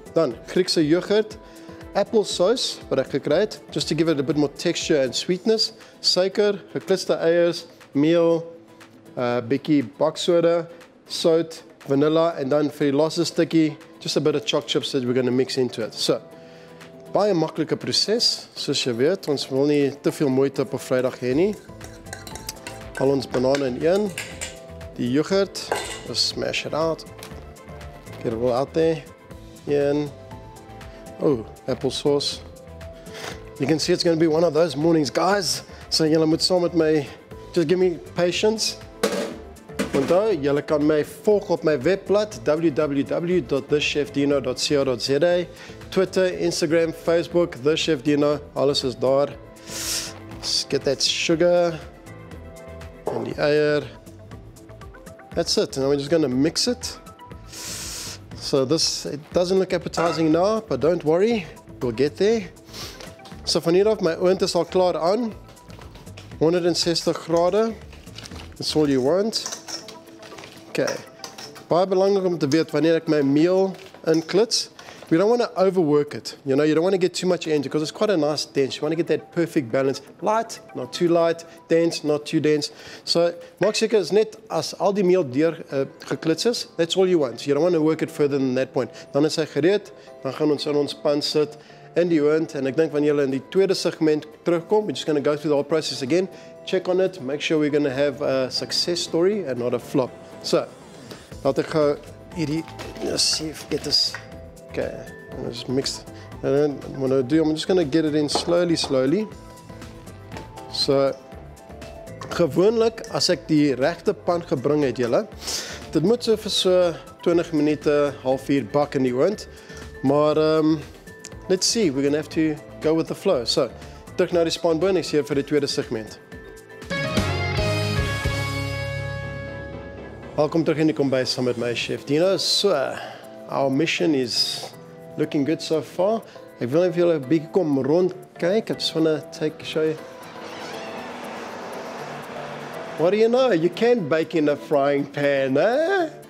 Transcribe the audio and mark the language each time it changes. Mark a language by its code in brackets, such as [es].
[af] Dan, Griekse yoghurt, [en] apple sauce, [af] wat ek gekry het, [en] just to give it a bit more texture and sweetness, [af] suiker, geklitste eiers, meel, bietjie baksoda, sout, [en] vanilla, and then for the last sticky, just a bit of chalk chips that we're going to mix into it. [af] So, baie maklike proses, soos jy weet, ons wil nie te veel moeite op 'n Vrydag hê nie. Al ons banane in een, die yoghurt, [en] we'll smash it out, get it all out there, [af] een, [en] oh, apple sauce. You can see it's going to be one of those mornings, guys. [af] So, julle moet saam met my, [en] just give me patience. [af] Onthou, julle kan my volg op my webblad www.thechefdino.co.za. Twitter, Instagram, Facebook, The Chef Dino, alles is daar. [en] Let's get that sugar and the eier. That's it. Now we're just going to mix it. So it doesn't look appetizing now, but don't worry, we'll get there. [af] So van hier af, my oond is al klaar aan. [en] 160 grade, that's all you want. [af] Okay, baie belangrik om te weet wanneer ek my meal inklits. [en] We don't want to overwork it, you know, you don't want to get too much energy because it's quite a nice dense. You want to get that perfect balance, light, not too light, dense, not too dense. [af] So, maak seker is net as al die meel deur geklits is, [en] that's all you want. You don't want to work it further than that point. [af] Dan is hy gereed, dan gaan ons in ons pan sit in die oond. En ek denk wanneer jy in die tweede segment terugkom, we're just going to go through the whole process again. [en] Check on it, make sure we're going to have a success story and not a flop. [af] So, laat ek gou hierdie, [en] let's see if get this. Okay, I'm gonna just mix. And then what I do, I'm just gonna get it in slowly, slowly. [af] So, gewoonlik as ek die regte pan gebring het julle, dit moet so vir so 20 minute, half uur bak in die oond. [en] Maar let's see, we're gonna have to go with the flow. [af] So, terug na die spanboon, ek sien vir die tweede segment. Welkom terug in die kombuis saam met my chef Dino. [en] So, our mission is looking good so far. [af] Ek wil net vir julle 'n bietjie kom rondkyk. Ek wil net [en] show you. What do you know? You can't bake in a frying pan, eh?